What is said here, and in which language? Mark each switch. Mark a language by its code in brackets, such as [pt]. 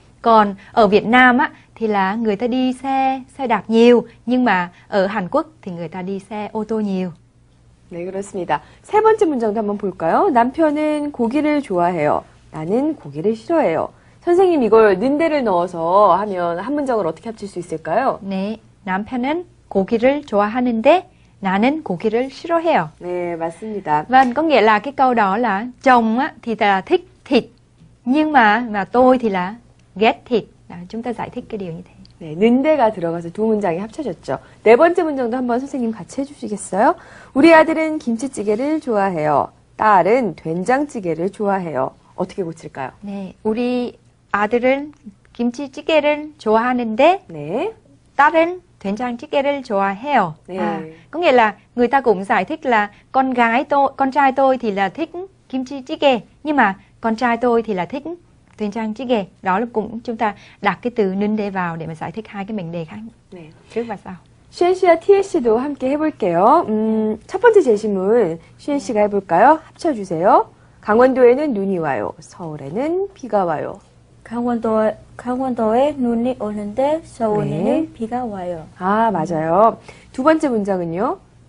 [vi] Còn ở Việt Nam á thì là người ta đi xe đạp nhiều nhưng mà ở Hàn Quốc thì người ta đi xe ô tô nhiều. [ko] 네, 그렇습니다. 세 번째 문장도 한번 볼까요? 남편은 고기를 좋아해요. 나는 고기를 싫어해요. 선생님, 이걸 는데를 넣어서 하면 한 문장을 어떻게 합칠 수 있을까요? 네, 남편은 고기를 좋아하는데 나는 고기를 싫어해요. 네, 맞습니다. [vi] Vâng, có nghĩa là cái câu đó là chồng thì là thích thịt nhưng mà tôi thì là ghét thịt. Chúng ta giải thích cái điều như thế. [ko] 네, 는데가 들어가서 두 문장이 합쳐졌죠. 네 번째 문장도 한번 선생님 같이 해주시겠어요? 우리 아들은 김치찌개를 좋아해요. 딸은 된장찌개를 좋아해요. 어떻게 고칠까요? 네, 우리 아들은 김치찌개를 좋아하는데 네. 딸은 된장찌개를 좋아해요. 네. [vi] có nghĩa là người ta cũng giải thích là con trai tôi thì là thích kimchi jjigae nhưng mà con trai tôi thì là thích doenjang jjigae. Đó là cũng chúng ta đặt cái từ 는데 vào để mà giải thích hai cái mệnh đề khác. [ko] 네. [vi] Trước và sau. [ko] 시엔 씨와 티에 씨도 함께 해 볼게요. 첫 번째 제시문 시엔 씨가 해 볼까요? 합쳐 주세요. 강원도에는 눈이 와요. 서울에는 비가 와요. 강원도에 눈이 오는데 서울에는 네. 비가 와요. 아, 맞아요. 두 번째 문장은요?